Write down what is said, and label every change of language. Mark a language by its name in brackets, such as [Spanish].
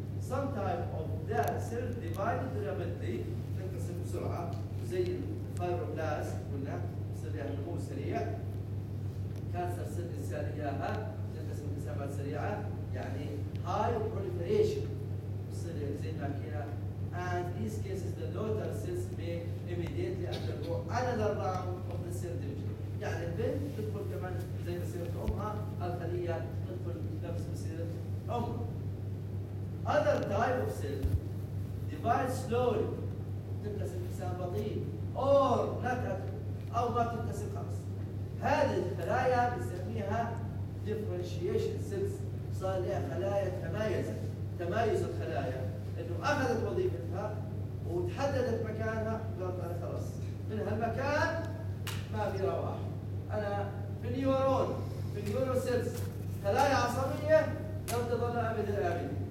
[English] Some type of that cell divided rapidly [Arabic] تنقسم بسرعة زي الفايبروبلاس قلنا، بصير لها نمو سريع. كانسر سيل الإنسان إياها تنقسم انقسامات سريعة يعني هاي بروليفريشن بصير زي الماكينة. [English] And these cases the daughter cells may immediately undergo another round of the cell division. [Arabic] يعني البنت تدخل كمان زي مسيرة أمها، الخلية تدخل نفس مسيرة أمها. [English] Other type of cell divide slowly [Arabic] تنقسم انقسام بطيء [English] or not at all [Arabic] او ما تنقسم خالص. هذه الخلايا بنسميها [English] differentiation cells، [Arabic] صار لها خلايا تميزت. تميز الخلايا انه اخذت وظيفتها وتحددت مكانها وقالت انا خلاص من هالمكان ما في رواح. انا في نيورون في نيورو سيلز خلايا عصبيه لم تظل ابدا ابدا.